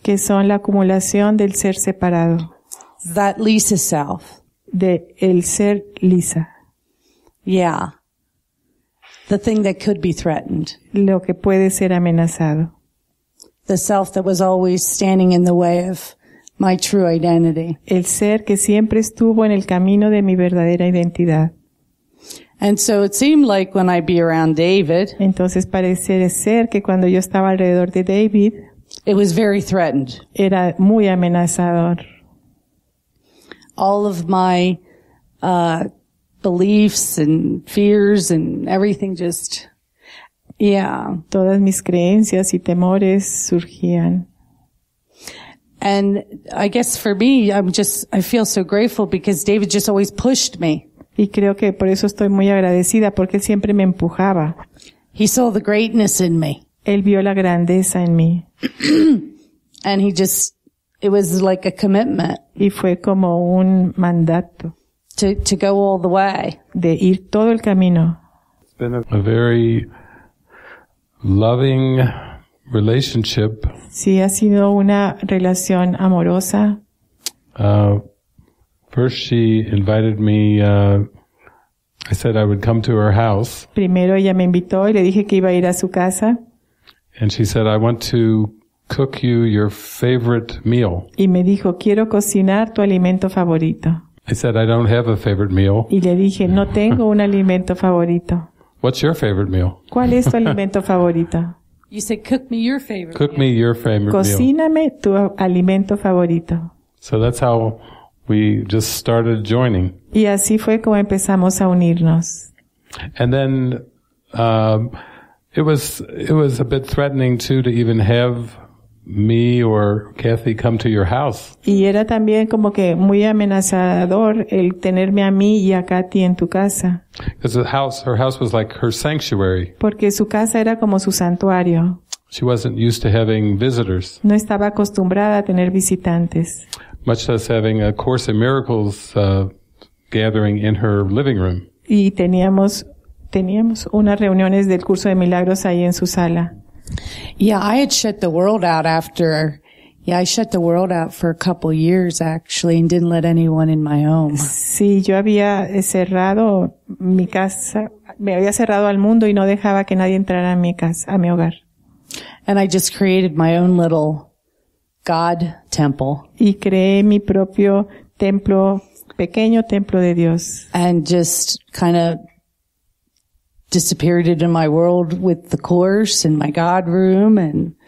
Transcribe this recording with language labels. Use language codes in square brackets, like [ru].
[es] Que son la acumulación del ser separado. [en] That Lisa self. [es] De el ser Lisa. [en] Yeah. The thing that could be threatened. [es] Lo que puede ser amenazado. [en] The self that was always standing in the way of my true identity. [es] El ser que siempre estuvo en el camino de mi verdadera identidad. [en] And so it seemed like when I'd be around David. [es] Entonces parece ser que cuando yo estaba alrededor de David. [en] It was very threatened. [es] Era muy amenazador. [en] All of my beliefs and fears and everything just, yeah. [es] Todas mis creencias y temores surgían. [en] And I guess for me, I feel so grateful because David just always pushed me. [es] Y creo que por eso estoy muy agradecida porque él siempre me empujaba. [en] He saw the greatness in me. [es] Él vio la grandeza en mí. [en] And he just, it was like a commitment. [es] Y fue como un mandato. [en] To go all the way. [es] De ir todo el camino. [en] It's been a very loving relationship. [es] Sí, ha sido una relación amorosa. [en] First she invited me, I said I would come to her house. [es] Primero ella me invitó y le dije que iba a ir a su casa. [en] And she said, I want to cook you your favorite meal. [es] Y me dijo, quiero cocinar tu alimento favorito. [en] I said, I don't have a favorite meal. [es] Y le dije, no tengo un alimento favorito. [en] What's your favorite meal? [es] ¿Cuál es tu alimento favorito? [en] You said, cook me your favorite cook meal. Cook me your favorite meal. [es] Cocíname tu alimento favorito. [en] So that's how we just started joining. [es] Y así fue como empezamos a unirnos. [en] And then it was a bit threatening too to even have me or Kathy come to your house. [es] Y era también como que muy amenazador el tenerme a mí y a Kathy en tu casa. [en] Because her house was like her sanctuary. [es] Porque su casa era como su santuario. [en] She wasn't used to having visitors. [es] No estaba acostumbrada a tener visitantes. [en] Much less having a Course in Miracles gathering in her living room. [es] Y teníamos unas reuniones del Curso de Milagros ahí en su sala. [en] Yeah, I had shut the world out for a couple years actually and didn't let anyone in my home. [es] Sí, yo había cerrado mi casa, me había cerrado al mundo y no dejaba que nadie entrara a mi casa, a mi hogar. [en] And I just created my own little God temple. [es] Y creé mi propio templo pequeño templo de Dios. [en] And just kind of disappeared into my world with the course in my God room and